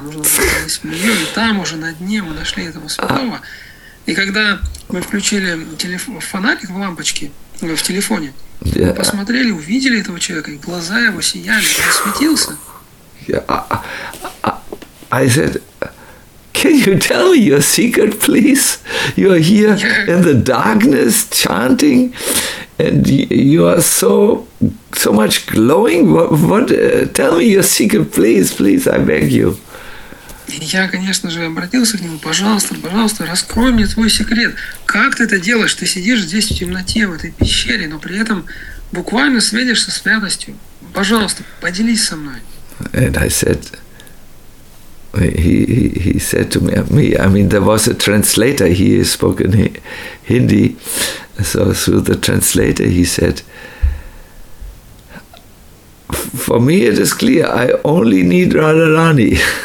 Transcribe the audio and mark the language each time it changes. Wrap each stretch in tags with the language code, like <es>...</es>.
<ru>Нужно было влезть в нее, и там уже на дне мы нашли этого святого. И когда мы включили фонарик в лампочке, в телефоне, yeah, посмотрели, увидели этого человека, и глаза его сияли, он светился. Yeah.</ru> <en>I said, can you tell me your secret, please? You are here, yeah, in the darkness chanting, and you are so much glowing. What tell me your secret, please, I beg you.</en> <ru>Я, конечно же, обратился к нему: пожалуйста, раскрой мне твой секрет. Как ты это делаешь? Ты сидишь здесь в темноте, в этой пещере, но при этом буквально светишься святостью. Пожалуйста, поделись со мной.</ru> <en>And I said, he said to me, I mean, there was a translator, he spoke in Hindi, so through the translator he said, for me it is clear, I only need Radharani.</en>